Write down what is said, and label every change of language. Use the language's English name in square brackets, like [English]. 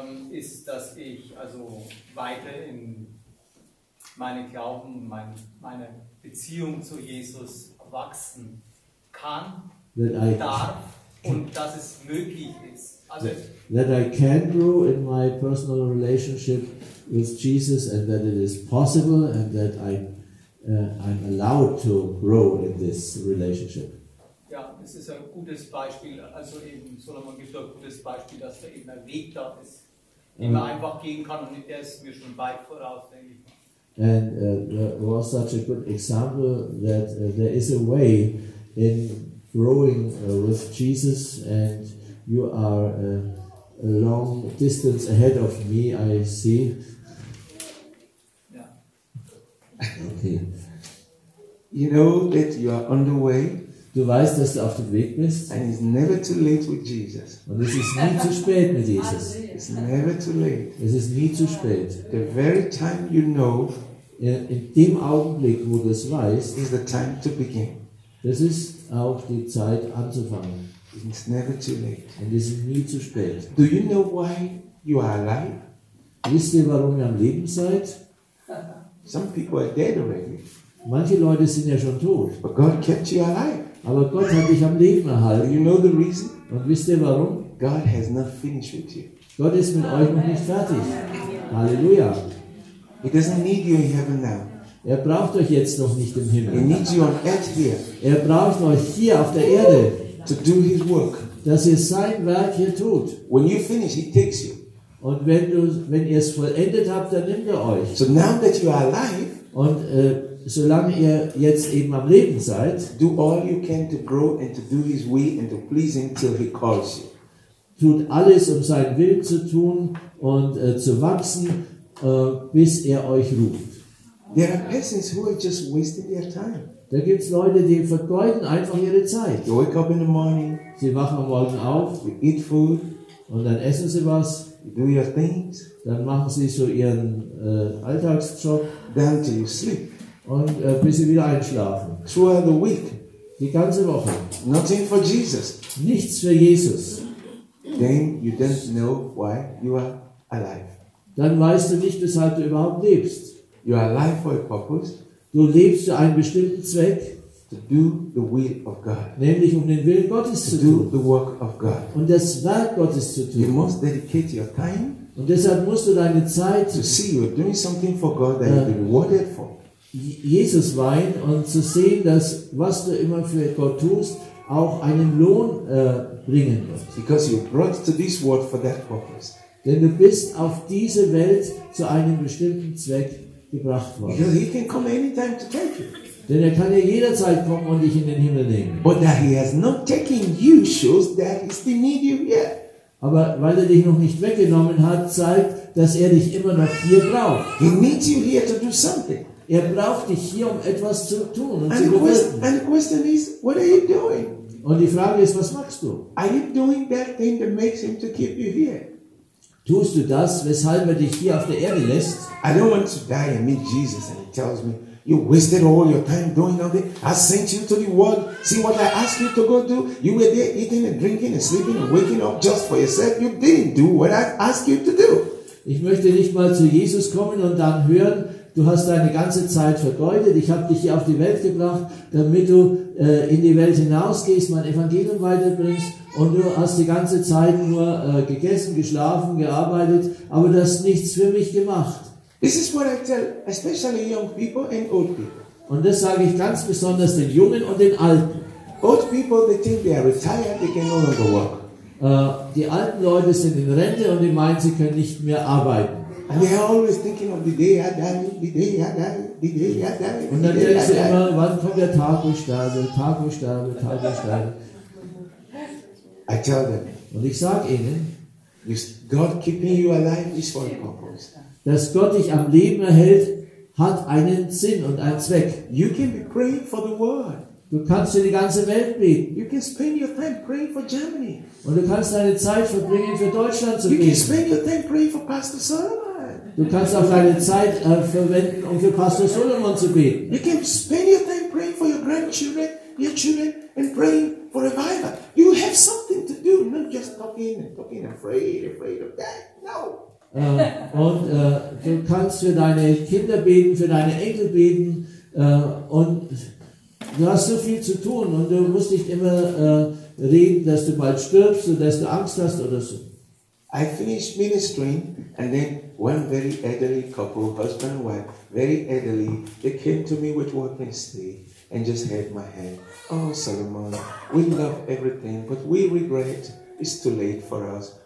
[German] ist, dass ich also weiter in meinen Glauben, meine Beziehung zu Jesus wachsen kann, darf und dass es möglich ist. Also, [English] that I can grow in my personal relationship with Jesus and that it is possible and that I'm allowed to grow in this relationship. [German] Ja, das ist ein gutes Beispiel. Also eben Solomon gibt ein gutes Beispiel, dass da eben ein Weg da ist, den man einfach gehen kann und der ist mir schon weit voraus, denke ich. [English] And there was such a good example that there is a way in growing with Jesus and you are a long distance ahead of me, I see. Yeah. Okay. You know that you are on the way. [German] Du weißt, dass du auf dem Weg bist. [English] And it's never too late with Jesus. [German] Und es ist nie zu spät mit Jesus. [English] It's never too late. [German] Es ist nie zu spät. [English] The very time you know, [German] in dem Augenblick, wo du es weißt, [English] is the time to begin. [German] Das ist auch die Zeit anzufangen. [English] It's never too late. [German] Und es ist nie zu spät. [English] Do you know why you are alive? [German] Wisst ihr, warum ihr am Leben seid? [English] Some people are dead already. [German] Manche Leute sind ja schon tot. [English] But God kept you alive. [German] Aber Gott hat dich am Leben erhalten. [English] You know the reason? [German] Und wisst ihr warum? [English] God has not finished with you. [German] Gott ist mit euch noch nicht fertig. Halleluja. [English] He doesn't need you in heaven now. [German] Er braucht euch jetzt noch nicht im Himmel. [English] He needs you on earth here. [German] Er braucht euch hier auf der Erde. [English] To do his work. [German] Dass ihr sein Werk hier tut. [English] When you finish, he takes you. [German] Und wenn ihr es vollendet habt, dann nimmt er euch. [English] So now that you are alive. [German] Und solange ihr jetzt eben am Leben seid, [English] do all you can to grow and to do his will and to please him till he calls you. [German] Tut alles, um seinen Willen zu tun und zu wachsen, bis er euch ruft. [English] There are persons who are just wasting their time. [German] Da gibt's Leute, die vergeuden einfach ihre Zeit. [English] They wake up in the morning. [German] Sie wachen am Morgen auf. [English] They eat food. [German] Und dann essen sie was. [English] You do your things. [German] Dann machen sie so ihren Alltagsjob. [English] Then till you sleep. [German] Und bis sie wieder einschlafen. [English] Throughout the week. [German] Die ganze Woche. [English] Nothing for Jesus. [German] Nichts für Jesus. [English] Then you don't know why you are alive. [German] Dann weißt du nicht, weshalb du überhaupt lebst. [English] You are alive for a purpose. [German] Du lebst für einen bestimmten Zweck. [English] To do the will of God. [German] Nämlich um den Willen Gottes zu tun. [English] The work of God. [German] Und das Werk Gottes zu tun. [English] You must dedicate your time. [German] Und deshalb musst du deine Zeit. [English] To see you doing something for God that you've been rewarded for. [German] Jesus weihen und zu sehen, dass was du immer für Gott tust, auch einen Lohn bringen wird. [English] Because you brought to this world for that purpose. [German] Denn du bist auf diese Welt zu einem bestimmten Zweck gebracht worden. [English] Because he can come anytime to take you. [German] Denn er kann ja jederzeit kommen und dich in den Himmel nehmen. [English] But that he has not taken you shows that he still needs you here. [German] Aber weil er dich noch nicht weggenommen hat, zeigt, dass er dich immer noch hier braucht. [English] He needs you here to do something. [German] Er braucht dich hier, um etwas zu tun und [English] and [German] zu bewirken. [English] And the question is, what are you doing? [German] Und die Frage ist, was machst du? [English] Are you doing that thing that makes him to keep you here? [German] Tust du das, weshalb er dich hier auf der Erde lässt? [English] I don't want to die and meet Jesus and he tells me, you wasted all your time doing all this. I sent you to the world. See what I asked you to go do? You were there eating and drinking and sleeping and waking up just for yourself. You didn't do what I asked you to do. [German] Ich möchte nicht mal zu Jesus kommen und dann hören, du hast deine ganze Zeit vergeudet. Ich habe dich hier auf die Welt gebracht, damit du in die Welt hinausgehst, mein Evangelium weiterbringst. Und du hast die ganze Zeit nur gegessen, geschlafen, gearbeitet, aber du hast nichts für mich gemacht. [English] This is what I tell, especially young people and old people. [German] Und das sage ich ganz besonders den Jungen und den Alten. [English] Old people, they think they are retired, they can no longer work. [German] Die alten Leute sind in Rente und die meinen, sie können nicht mehr arbeiten. [English] And they are always thinking of the day I die, the day I die, the day I die. [German] Und dann denkst du immer, wann kommt der Tag, wo ich sterbe, Tag, wo ich sterbe, Tag, wo ich sterbe. [English] I tell them. [German] Und ich sag ihnen, [English] God keeping you alive is for a purpose. [German] Dass Gott dich am Leben erhält, hat einen Sinn und einen Zweck. [English] You can be praying for the world. [German] Du kannst für die ganze Welt beten. [English] You can spend your time praying for Germany. [German] Und du kannst deine Zeit verbringen, für Deutschland zu [English] you [German] beten. [English] You can spend your time praying for Pastor Solomon. [German] Du kannst auch deine Zeit verwenden, um für Pastor Solomon zu beten. [English] You can spend your time praying for your grandchildren, your children, and praying for revival. You have something to do, not just talking, afraid of that. No. [German] Du kannst für deine Kinder beten, für deine Enkel beten, und du hast so viel zu tun und du musst nicht immer reden, dass du bald stirbst oder dass du Angst hast oder so. [English] I finished ministering and then one very elderly couple, husband and wife, very elderly, they came to me with walking stick and just held my hand. Oh, Solomon, we love everything, but we regret it's too late for us.